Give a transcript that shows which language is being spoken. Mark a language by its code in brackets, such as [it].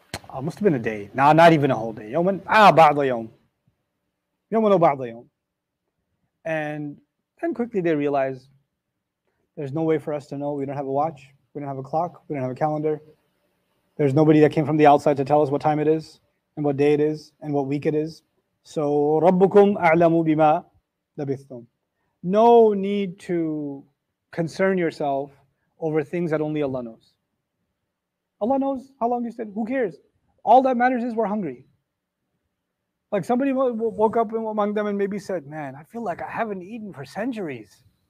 [en] Oh, must have been a day. Nah, not even a whole day. [ar] Yawman, ba'd yawm. Yawman, ba'd yawm. [en] And then quickly they realize there's no way for us to know. We don't have a watch. We don't have a clock. We don't have a calendar. There's nobody that came from the outside to tell us what time it is and what day it is and what week it is. [ar] So, رَبُّكُمْ أَعْلَمُ بِمَا لَبِثْتُمْ. [en] No need to concern yourself over things that only Allah knows. Allah knows how long you stayed. Who cares? All that matters is we're hungry. Like somebody woke up among them and maybe said, man, I feel like I haven't eaten for centuries.